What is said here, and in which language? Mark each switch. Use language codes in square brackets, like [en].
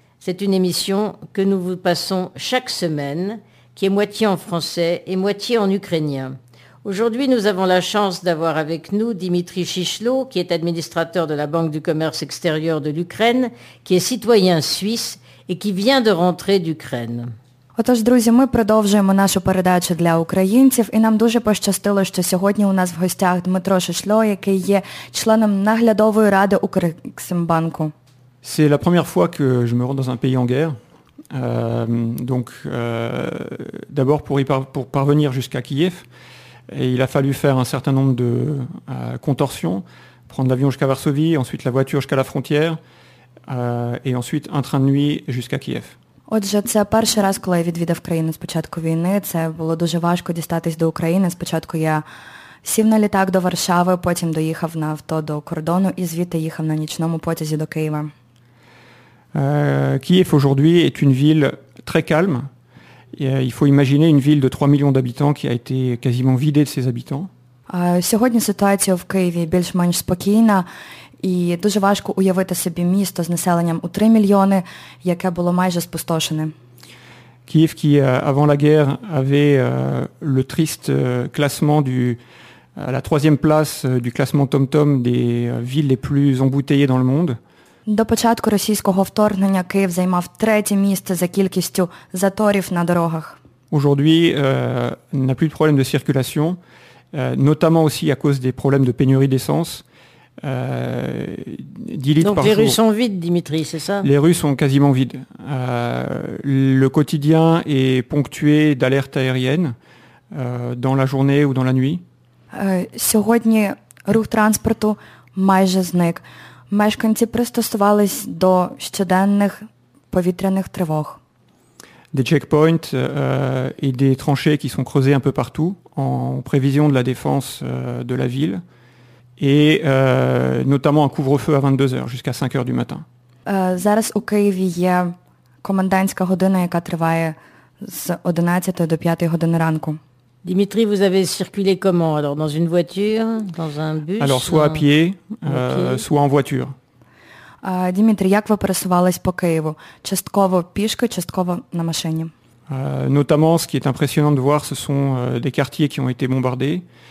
[fr] C'est une émission que nous vous passons chaque semaine, qui est moitié en français et moitié en ukrainien. Aujourd'hui, nous avons la chance d'avoir avec nous Dimitri Chichlo, qui est administrateur de la Banque du commerce extérieur de l'Ukraine, qui est citoyen suisse et qui vient de rentrer d'Ukraine. [uk] Отож, друзі, ми продовжуємо нашу передачу для українців, і нам дуже пощастило, що сьогодні у нас в гостях Дмитро Шишло, який є членом наглядової ради Укрексімбанку. [fr] C'est la première fois que je me rends dans un pays en guerre. Donc d'abord pour parvenir jusqu'à Kiev, et il a fallu faire un certain nombre de contorsions, prendre l'avion jusqu'à Varsovie, ensuite la voiture jusqu'à la frontière, et ensuite un train de nuit jusqu'à Kiev. [uk] Отже, це перший раз, коли я відвідав країну з початку війни. Це було дуже важко дістатись до України. Спочатку я сів на літак до Варшави, потім доїхав на авто до кордону і звідти їхав на нічному потязі до Києва. [fr] Kiev aujourd'hui est une ville très calme. Il faut imaginer une ville de 3 millions d'habitants qui a été quasiment vidée de ses habitants. [uk] Сьогодні ситуація в Києві більш-менш спокійна. І дуже важко уявити собі місто з населенням у 3 мільйони, яке було майже спустошене. [fr] Київ, qui avant la guerre avait le triste classement du la troisième place du classement TomTom des villes les plus embouteillées dans le monde. [uk] До початку російського вторгнення Київ займав третє місце за кількістю заторів на дорогах. [fr] Aujourd'hui, n'a plus de problème de circulation, notamment aussi à cause des problèmes de pénurie d'essence. 10 litres donc par les jour. Rues sont vides, Dimitri, c'est ça? Les rues sont quasiment vides. Le quotidien est ponctué d'alertes aériennes dans la journée ou dans la nuit. [uk] Сьогодні рух транспорту майже зник. Мешканці пристосувались до щоденних повітряних тривог. [fr] Des checkpoints et des tranchées qui sont creusées un peu partout en prévision de la défense de la ville. Et notamment un couvre-feu à 22h jusqu'à 5h du matin. [uk] Зараз у Києві є комендантська година, яка триває з 11 до 5 години ранку. [fr] Dimitri, vous avez circulé comment? Alors, dans une voiture, dans un bus? Alors, soit à pied, soit en voiture. [uk] Dimitri, як ви пересувались по Києву? Частково пішки, частково на машині? [fr] Notamment, ce qui est impressionnant de voir, ce sont des quartiers qui ont été bombardés.